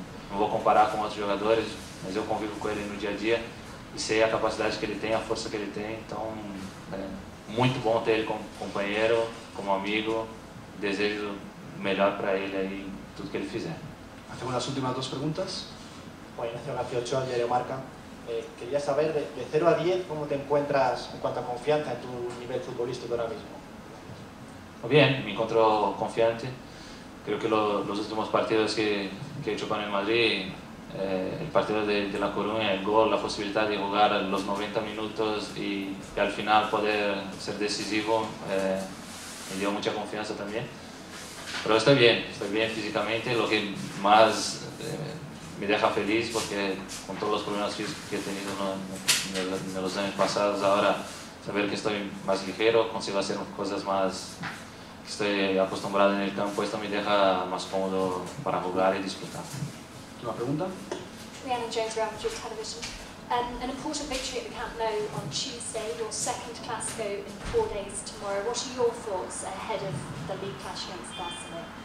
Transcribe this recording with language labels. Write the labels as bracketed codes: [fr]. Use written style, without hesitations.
[pt] Não vou comparar com outros jogadores, mas eu convivo com ele no dia a dia e sei a capacidade que ele tem, a força que ele tem. Então, é muito bom ter ele como companheiro, como amigo. Desejo o melhor para ele aí em tudo que ele fizer. Hacemos as últimas duas perguntas. Oi, Ignacio Gaciocho, Diario Marca. [es] Queria saber, de 0 a 10, como te encuentras en cuanto a confianza en tu nivel futbolístico ahora mismo? Bien, me encuentro confiante. Creo que los últimos partidos que he hecho con el Madrid, el partido de La Coruña, el gol, la posibilidad de jugar los 90 minutos y al final poder ser decisivo, me dio mucha confianza también. Pero estoy bien físicamente. Lo que más me deja feliz, porque con todos los problemas físicos que he tenido en los años pasados, ahora saber que estoy más ligero, consigo hacer cosas más, estoy acostumbrado en el campo, esto me deja más cómodo para jugar y disfrutar. ¿Una pregunta? Rihanna Jones, Real Madrid Television. [en] An important victory at the Camp Nou on Tuesday, your second Clásico in 4 days tomorrow. What are your thoughts ahead of the league clash against Barcelona?